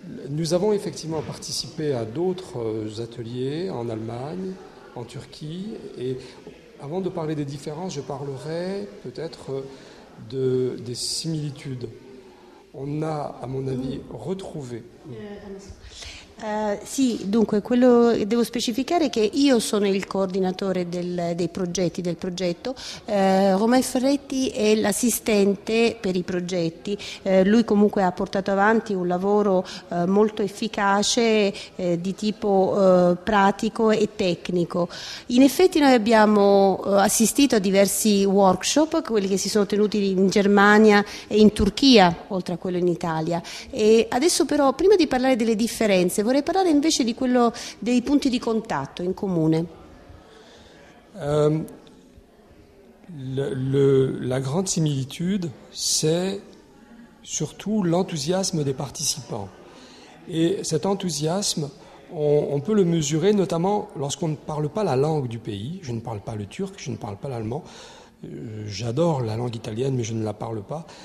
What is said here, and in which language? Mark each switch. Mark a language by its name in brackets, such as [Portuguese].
[French] Nous avons effectivement participé à d'autres ateliers en Allemagne, en Turquie, et avant de parler des différences, je parlerai peut-être des similitudes. On a, à mon avis, retrouvé. [Italian] Sì, dunque, quello che devo specificare è che io sono il coordinatore del progetto, Romain Ferretti è l'assistente per i progetti, lui comunque ha portato avanti un lavoro molto efficace di tipo pratico e tecnico. In effetti noi abbiamo assistito a diversi workshop, quelli che si sono tenuti in Germania e in Turchia, oltre a quello in Italia. E adesso però, prima di parlare delle differenze, vorrei parlare invece di quello dei punti di contatto in comune. [French] La grande similitude c'est surtout l'enthousiasme des participants. Et cet enthousiasme, on peut le mesurer notamment lorsqu'on ne parle pas la langue du pays. Je ne parle pas le turc, je ne parle pas l'allemand. J'adore la langue italienne, mais je ne la parle pas.